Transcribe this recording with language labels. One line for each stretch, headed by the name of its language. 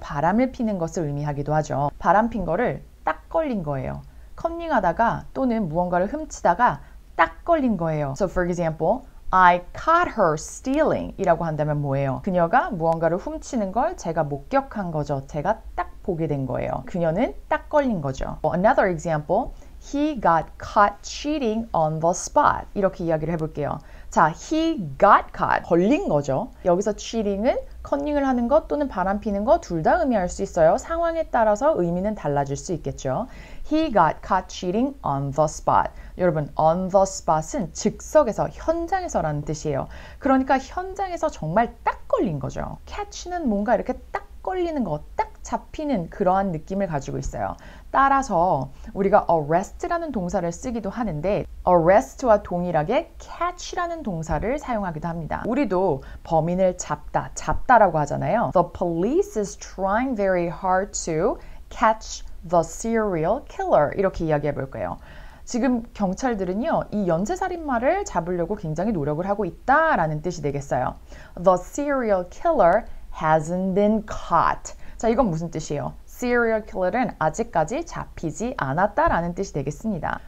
Korean: 바람을 피는 것을 의미하기도 하죠. 바람 핀 거를 딱 걸린 거예요. cunning 하다가 또는 무언가를 훔치다가 딱 걸린 거예요.
English: So for example, I caught her stealing
Korean: 이라고 한다면 뭐예요? 그녀가 무언가를 훔치는 걸 제가 목격한 거죠. 제가 딱 보게 된 거예요. 그녀는 딱 걸린 거죠.
English: Another example, he got caught cheating on the spot.
Korean: 이렇게 이야기를 해볼게요. 자,
English: he got caught,
Korean: 걸린 거죠. 여기서 cheating은 cunning을 하는 것 또는 바람 피는 것 둘 다 의미할 수 있어요. 상황에 따라서 의미는 달라질 수 있겠죠.
English: He got caught cheating on the spot.
Korean: 여러분,
English: on the spot은
Korean: 즉석에서, 현장에서라는 뜻이에요. 그러니까 현장에서 정말 딱 걸린 거죠. catch는 뭔가 이렇게 딱 걸리는 것, 딱 잡히는 그러한 느낌을 가지고 있어요. 따라서 우리가 arrest라는 동사를 쓰기도 하는데 arrest와 동일하게 catch라는 동사를 사용하기도 합니다. 우리도 범인을 잡다, 잡다라고 하잖아요.
English: The police is trying very hard to catch the serial killer.
Korean: 이렇게 이야기해 볼까요? 지금 경찰들은요, 이 연쇄살인마를 잡으려고 굉장히 노력을 하고 있다라는 뜻이 되겠어요.
English: The serial killer hasn't been caught.
Korean: 자, 이건 무슨 뜻이에요? Serial killer은 아직까지 잡히지 않았다라는 뜻이 되겠습니다.